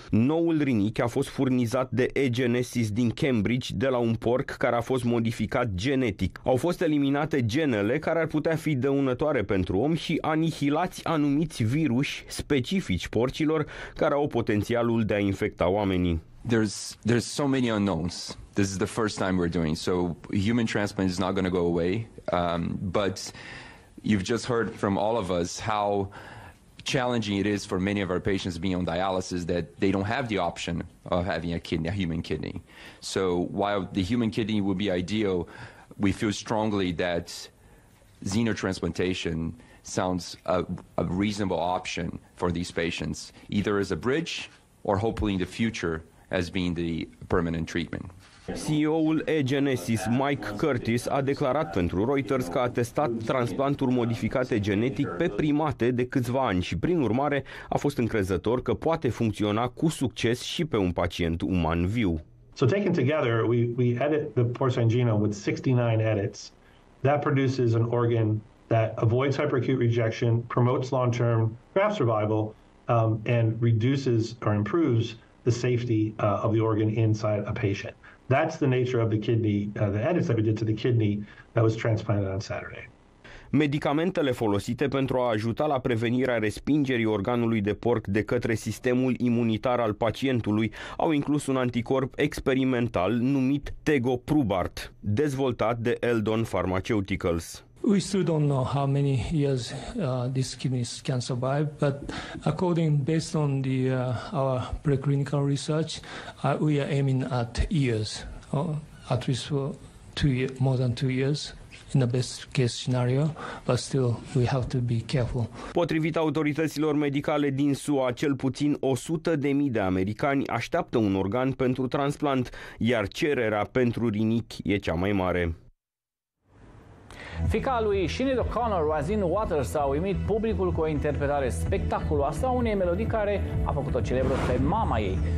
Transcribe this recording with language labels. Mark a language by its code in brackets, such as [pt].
[ro] Noul rinichi a fost furnizat de eGenesis din Cambridge, de la un porc care a fost modificat genetic. Au fost eliminate genele care ar putea fi dăunătoare pentru om și anihilați anumiți viruși specifici porcilor care au potențialul de a infecta oamenii. [en] There's so many unknowns. This is the first time we're doing. So human transplant is not going to go away. But you've just heard from all of us how challenging it is for many of our patients being on dialysis that they don't have the option of having a human kidney. So while the human kidney would be ideal, we feel strongly that xenotransplantation sounds a reasonable option for these patients, either as a bridge or hopefully in the future as being the permanent treatment. [ro] CEO-ul eGenesis, Mike Curtis, a declarat pentru Reuters că a testat transplanturi modificate genetic pe primate de câțiva ani și, prin urmare, a fost încrezător că poate funcționa cu succes și pe un pacient uman viu. [en] So taken together, we edit the porcine genome with 69 edits. That produces an organ that avoids hyperacute rejection, promotes long-term graft survival, and reduces or improves the safety of the organ inside a patient. That's the nature of the kidney, the edits that we did to the kidney that was transplanted on Saturday. [ro] Medicamentele folosite pentru a ajuta la prevenirea respingerii organului de porc de către sistemul imunitar al pacientului au inclus un anticorp experimental numit tegoprubart, dezvoltat de Eldon Pharmaceuticals. [en] We still don't know how many years these kidneys can survive, but according based on the our preclinical research, we are aiming at years, at least for more than two years. In the best case scenario, but still we have to be careful. [ro] Potrivit autorităților medicale din SUA, cel puțin 100.000 de americani așteaptă un organ pentru transplant, iar cererea pentru rinichi e cea mai mare. Fica lui Sinead O'Connor, Roisin Waters, a uimit publicul cu o interpretare spectaculoasă a unei melodii care a făcut-o celebră pe mama ei.